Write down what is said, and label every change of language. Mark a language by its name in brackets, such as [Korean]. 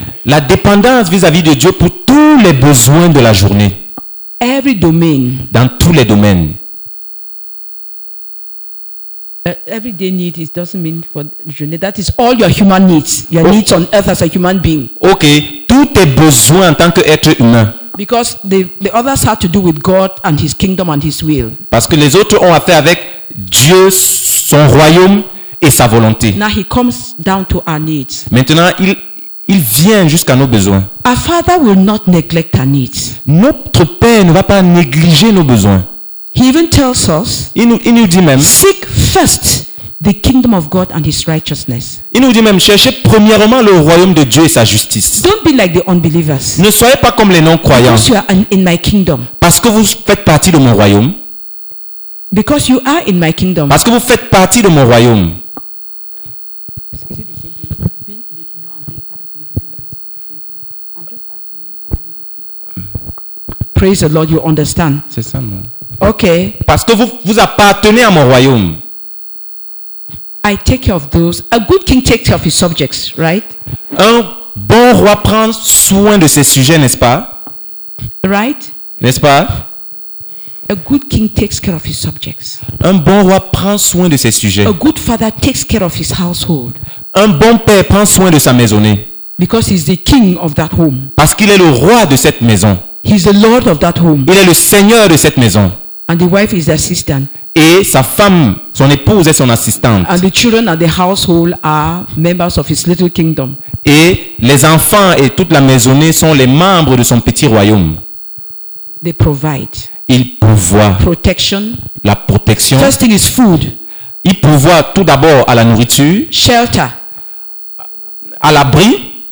[French] La dépendance vis-à-vis de Dieu pour tous les besoins de la journée. [English] Every domain. [French] Dans tous les domaines. [English] Everyday need it doesn't mean for journey. That is all your human needs. Your okay. Needs on earth as a human being. [French] Okay, tous tes besoins en tant qu'être humain. [English] Because the others have to do with God and His kingdom and His will. [French] Parce que les autres ont affaire avec Dieu, son royaume et sa volonté. [English] Now He comes down to our needs. [French] Maintenant il vient jusqu'à nos besoins. [English] Our Father will not neglect our needs. [French] Notre Père ne va pas négliger nos besoins. [English] He even tells us, [French] il nous dit même, [English] seek first the kingdom of God and His righteousness. [French] Il nous dit même, cherchez premièrement le royaume de Dieu et sa justice. [English] Don't be like the unbelievers. [French] Ne soyez pas comme les non-croyants. [English] Because you are in my kingdom. [French] Parce que vous faites partie de mon royaume. [English] Because you are in my kingdom. [French] Parce que vous faites partie de mon royaume. [English] Praise the Lord, you understand. [French] C'est ça, non? Okay. Parce que vous appartenez à mon royaume. [English] I take care of those. A good king takes care of his subjects, right? [French] Un bon roi prend soin de ses sujets, n'est-ce pas? [English] Right? [French] N'est-ce pas? [English] A good king takes care of his subjects. [French] Un bon roi prend soin de ses sujets. [English] A good father takes care of his household. [French] Un bon père prend soin de sa maisonnée. [English] Because he's the king of that home. [French] Parce qu'il est le roi de cette maison. [English] He's the lord of that home. [French] Il est le seigneur de cette maison. [English] And the wife is the assistant. [French] Et sa femme, son épouse est son assistante. [English] And the children and the household are members of his little kingdom. [French] Et les enfants et toute la maisonnée sont les membres de son petit royaume. [English] They provide. [French] Il pourvoit. [English] Protection. [French] La protection. [English] First thing is food. [French] Il pourvoit tout d'abord à la nourriture. [English] Shelter. [French] À l'abri.